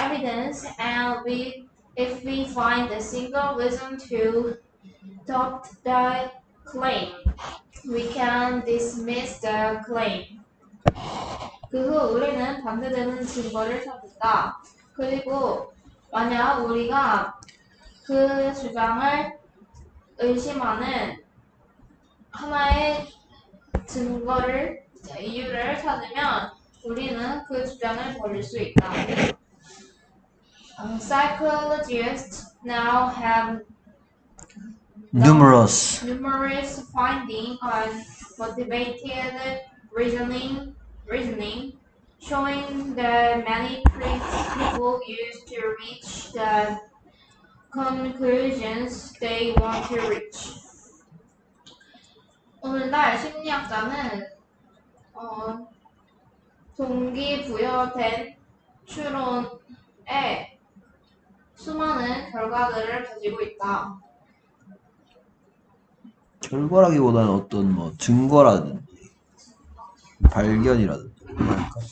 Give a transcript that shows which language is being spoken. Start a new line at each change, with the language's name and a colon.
English: evidence and we if we find a single reason to doubt the claim, we can dismiss the claim.
Korean: 그후 우리는 반대되는 증거를 찾는다. 그리고 만약 우리가 그 주장을 의심하는 하나의 증거를, 이유를 찾으면 우리는 그 주장을 버릴 수 있다.
English: Psychologists now have numerous. Numerous findings on motivated reasoning showing that many people use to reach the conclusions they want to reach.
Korean: 오늘날 심리학자는 동기부여된 추론에 수많은 결과들을 가지고 있다. 결과라기보다는 어떤 뭐 증거라든지 발견이라든지 그러니까.